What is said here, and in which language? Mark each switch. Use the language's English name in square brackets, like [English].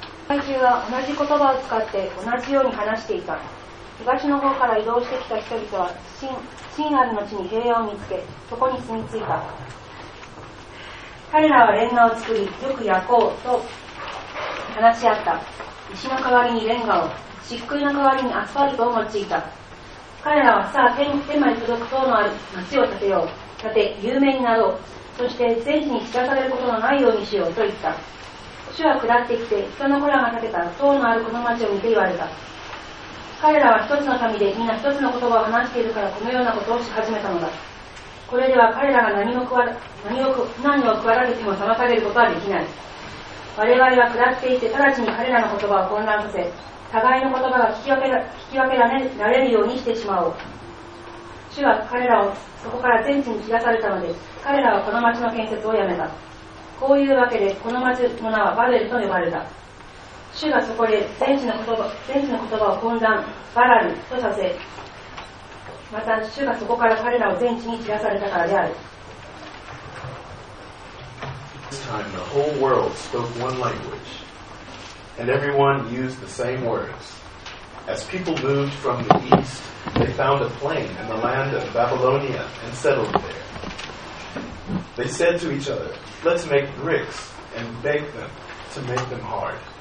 [English] Today, we have used the same words and spoken the same way. From the east, the people who have moved to the west found peace in the city and found themselves there. [Japanese] 彼らはレンガを作り、よく焼こうと話し合った。石の代わりにレンガを、漆喰の代わりにアスファルトを用いた。彼らはさあ天まで届く塔のある町を建てよう。建て、有名になろう。そして全地に散らされることのないようにしようと言った。主は下ってきて、人の子らが建てた塔のあるこの町を見て言われた。彼らは一つの民で、みんな一つの言葉を話しているからこのようなことをし始めたのだ。これでは彼らが何を食わられても騙されることはできない。我々は下っていって直ちに彼らの言葉を混乱させ、互いの言葉が聞き分けられるようにしてしまおう。主は彼らをそこから全地に散らされたので、彼らはこの町の建設をやめた。こういうわけでこの町の名はバベルと呼ばれた。主がそこで全地の言葉を混乱、バラルとさせ、また主がそこから彼らを全地に散らされたからである。 [English] This time the whole world spoke one language, and everyone used the same words. As people moved from the east, they found a plain in the land of Babylonia and settled there. They said to each other, "Let's make bricks and bake them to make them hard."